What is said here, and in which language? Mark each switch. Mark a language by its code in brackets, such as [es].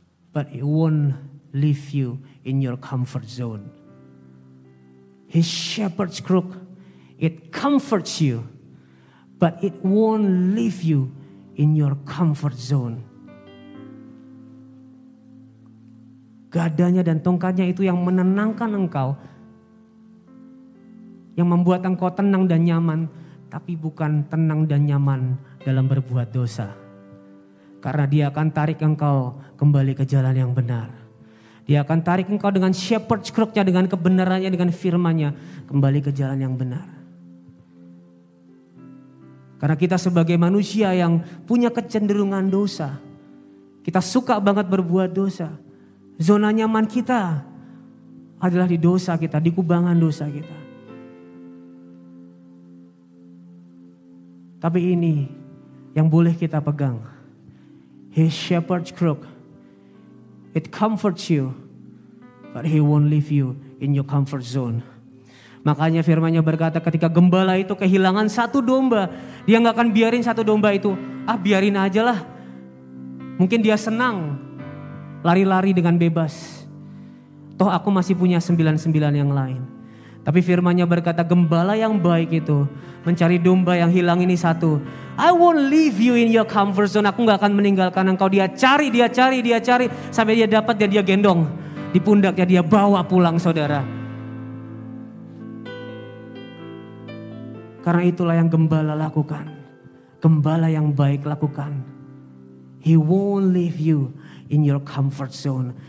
[en] But it won't leave you in your comfort zone. His shepherd's crook, it comforts you. But it won't leave you in your comfort zone. [id] Gadanya dan tongkatnya itu yang menenangkan engkau, yang membuat engkau tenang dan nyaman, tapi bukan tenang dan nyaman dalam berbuat dosa. Karena dia akan tarik engkau kembali ke jalan yang benar. Dia akan tarik engkau dengan shepherd's crook-nya, dengan kebenarannya, dengan firman-nya, kembali ke jalan yang benar. Karena kita sebagai manusia yang punya kecenderungan dosa, kita suka banget berbuat dosa. Zona nyaman kita adalah di dosa kita, di kubangan dosa kita. Tapi ini yang boleh kita pegang. [en] His shepherd's crook, it comforts you, but he won't leave you in your comfort zone. [id] Makanya firman-Nya berkata, ketika gembala itu kehilangan satu domba, dia gak akan biarin satu domba itu, ah biarin aja lah. Mungkin dia senang lari-lari dengan bebas. Toh aku masih punya 99 yang lain. Tapi firman-Nya berkata, gembala yang baik itu mencari domba yang hilang ini satu. [en] I won't leave you in your comfort zone. [id] Aku gak akan meninggalkan engkau. Dia cari. Sampai dia dapat dan dia gendong. Di pundaknya dia bawa pulang, saudara. Karena itulah yang gembala lakukan. Gembala yang baik lakukan. [en] He won't leave you in your comfort zone.